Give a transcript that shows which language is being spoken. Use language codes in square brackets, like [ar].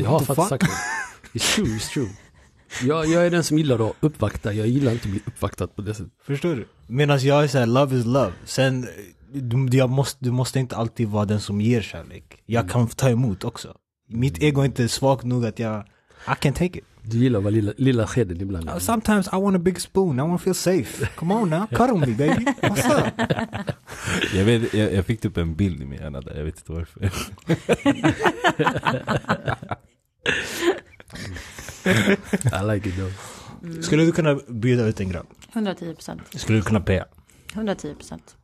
[sv] Jag har faktiskt sagt det. [en] It's true, it's true. [sv] Jag är den som gillar att uppvakta. Jag gillar inte att bli uppvaktad på det sättet. Förstår du? Medan jag är så här, [en] love is love. [sv] Sen, du måste inte alltid vara den som ger kärlek. Jag kan ta emot också. Mitt ego är inte svagt nog att jag... [en] I can take it. [sv] Du gillar vara lilla skeden ibland. [en] Sometimes I want a big spoon. I want to feel safe. Come on now, cut on me baby. What's up? [sv] Jag fick upp en bild i min hjärna där. Jag vet inte varför. [en] I like it though. [sv] Skulle du kunna bjuda ut en grabb? 110%. Skulle du kunna pea? 110%.